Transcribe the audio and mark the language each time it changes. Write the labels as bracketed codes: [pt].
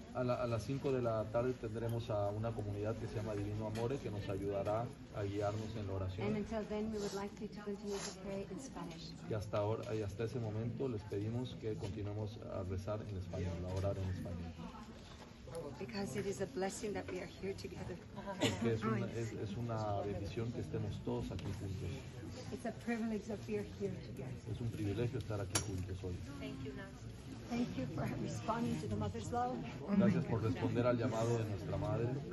[es] A las 5 de la tarde tendremos a una comunidad que se llama Divino Amore que nos ayudará a guiarnos en la oración. [en] And until then we would like to continue to pray in Spanish. [es] Y hasta ese momento les pedimos que continuemos a rezar en español, a orar en español. [en] Because it is a blessing that we are here together. [es] Porque es una bendición que estemos todos aquí juntos. [en] It's a privilege that we are here together. [es] Es un privilegio estar aquí juntos hoy. [en] Thank you, Nancy. Thank you for responding to the mother's love. [es] Gracias por responder al llamado de nuestra madre.